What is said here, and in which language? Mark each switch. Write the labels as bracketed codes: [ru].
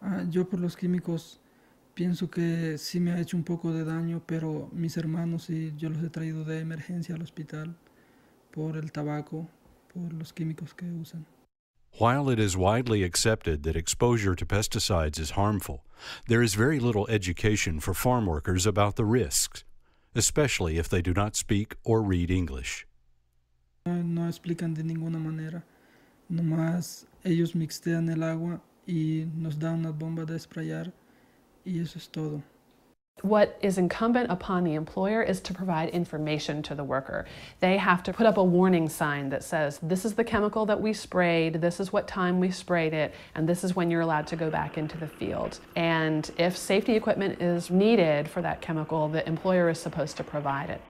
[es] Yo por los químicos pienso que sí me ha hecho un poco de daño, pero mis hermanos y yo los he traído de emergencia al hospital por el tabaco, por los químicos que usan. [en] While it is widely accepted that exposure to pesticides is harmful, there is very little education for farm workers about the risks, especially if they do not speak or read English. [es] No explican de ninguna manera. Nomás ellos mixtean el agua y nos dan una bomba de sprayar y eso es todo. [en] What is incumbent upon the employer is to provide information to the worker. They have to put up a warning sign that says, this is the chemical that we sprayed, this is what time we sprayed it, and this is when you're allowed to go back into the field. And if safety equipment is needed for that chemical, the employer is supposed to provide it.